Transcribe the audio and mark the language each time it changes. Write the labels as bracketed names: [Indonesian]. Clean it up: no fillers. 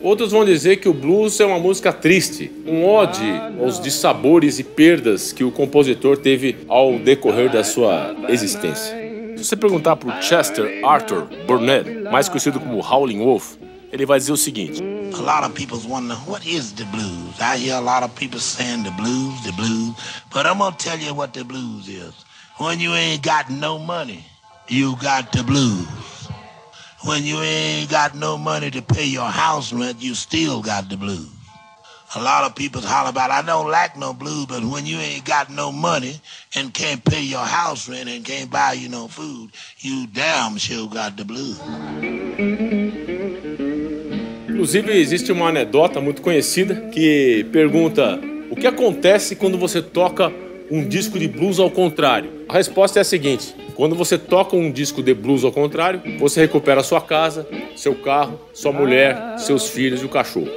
[Portuguese] Outros vão dizer que o blues é uma música triste, um ode aos dissabores e perdas que o compositor teve ao decorrer da sua existência. Se você perguntar para o Chester Arthur Burnett, mais conhecido como Howling Wolf, ele vai dizer o seguinte: [English] a lot of people's wondering what is the blues. I hear a lot of people saying the blues, but I'm gonna tell you what the blues is. When you ain't got no money, you got the blues. When you ain't got no money to pay your house rent, you still got the blues. A lot of people's holler about, I don't lack no blues, but when you ain't got no money and can't pay your house rent and can't buy you no food, you damn sure got the blues. [Portuguese] Inclusive, existe uma anedota muito conhecida que pergunta: o que acontece quando você toca um disco de blues ao contrário? A resposta é a seguinte: quando você toca um disco de blues ao contrário, você recupera sua casa, seu carro, sua mulher, seus filhos e o cachorro.